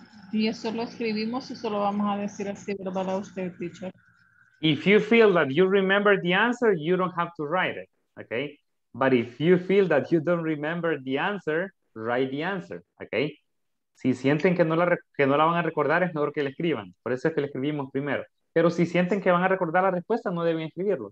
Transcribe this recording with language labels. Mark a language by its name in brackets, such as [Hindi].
[Spanish] Y eso lo escribimos y solo vamos a decir así, ¿verdad, a usted, teacher? [English] If you feel that you remember the answer, you don't have to write it, okay? But if you feel that you don't remember the answer, write the answer, okay? [Spanish] Si sienten que no la van a recordar, es mejor que la escriban. Por eso es que la escribimos primero. Pero si sienten que van a recordar la respuesta, no deben escribirlo.